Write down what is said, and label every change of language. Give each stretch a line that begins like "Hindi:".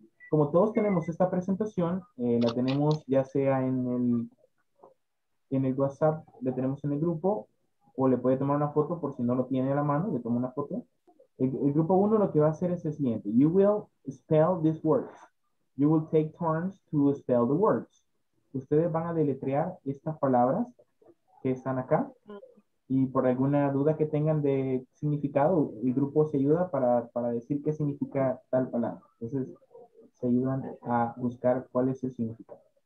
Spanish: Como todos tenemos esta presentación, la tenemos ya sea en el WhatsApp, la tenemos en el grupo, o le puede tomar una foto por si no lo tiene a la mano, le toma una foto. El grupo 1 lo que va a hacer es el siguiente.
English: You will spell these words. You will take turns to spell the words.
Spanish: Ustedes van a deletrear estas palabras que están acá, y por alguna duda que tengan de significado, el grupo se ayuda para decir qué significa tal palabra. Entonces, se ayudan a buscar cuál es el significado.